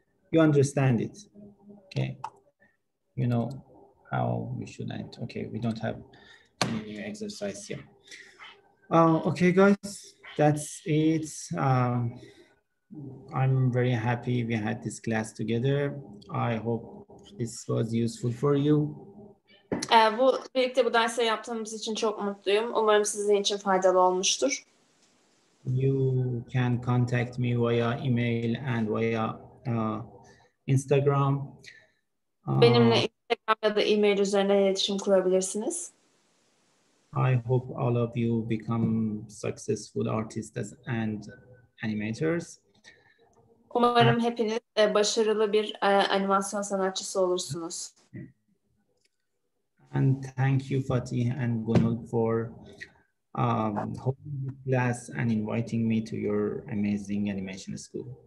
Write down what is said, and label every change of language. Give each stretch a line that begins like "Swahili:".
English: You understand it. Okay, you know how we should end. Okay, we don't have any new exercise here. Okay, guys, that's it. I'm very happy we had this class together. I hope this was useful for you.
Turkish: Bu birlikte bu dersi yaptığımız için çok mutluyum. Umarım sizin için faydalı olmuştur.
English: You can contact me via email and via Instagram.
Turkish: Benimle Instagram ya da e-mail üzerinden iletişim kurabilirsiniz.
English: I hope all of you become successful artists and animators.
Turkish: Umarım hepiniz başarılı bir animasyon sanatçısı olursunuz.
English: And thank you Fatih and Gunul for holding the class and inviting me to your amazing animation school.